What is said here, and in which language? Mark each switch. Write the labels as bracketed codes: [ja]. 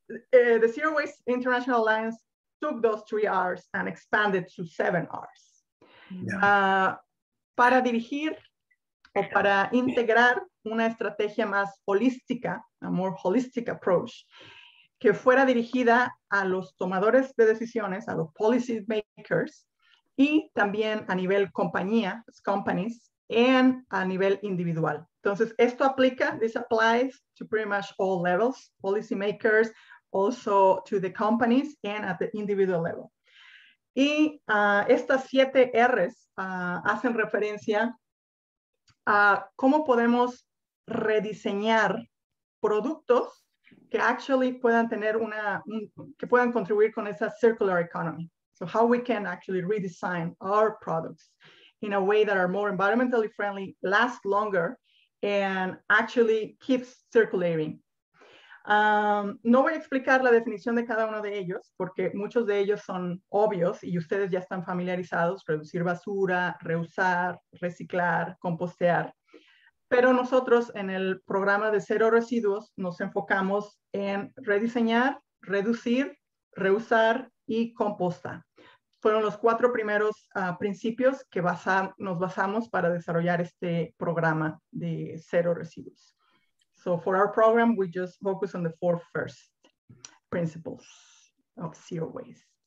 [en] The Zero Waste International Alliance took those three R's and expanded to seven R's. [es] Para dirigir o para integrar una estrategia más holística, [en] a more holistic approach, [es] que fuera dirigida a los tomadores de decisiones, a los policy makers, y también a nivel compañía, companies, and a nivel individual. Entonces, esto aplica, [en] this applies to pretty much all levels, policy makers, also to the companies and at the individual level. [es] Y estas siete R's hacen referencia a cómo podemos rediseñar productos que actually puedan tener una, que puedan contribuir con esa circular economy. [en] So how we can actually redesign our products in a way that are more environmentally friendly, last longer, and actually keeps circulating. [es] No voy a explicar la definición de cada uno de ellos, porque muchos de ellos son obvios y ustedes ya están familiarizados: reducir basura, reusar, reciclar, compostear. Pero nosotros en el programa de cero residuos nos enfocamos en rediseñar, reducir, reusar y compostar. Fueron los cuatro primeros principios que nos basamos para desarrollar este programa de cero residuos. [en] So for our program, we just focus on the four first principles of zero waste.